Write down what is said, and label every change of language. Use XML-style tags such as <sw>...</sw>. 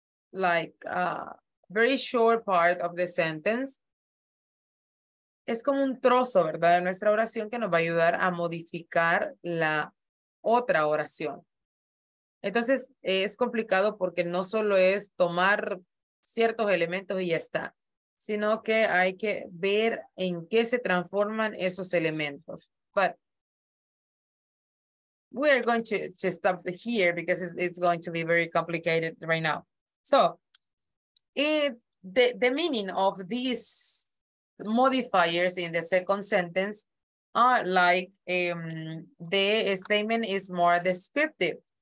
<en>like a very short part of the sentence.</en> <es>Es como un trozo, ¿verdad? De nuestra oración que nos va a ayudar a modificar la otra oración. Entonces, es complicado porque no solo es tomar ciertos elementos y ya está, sino que hay que ver en qué se transforman esos elementos.</es> <en>But we are going to stop here because it's going to be very complicated right now. So, the meaning of these modifiers in the second sentence are like the statement is more descriptive.</en>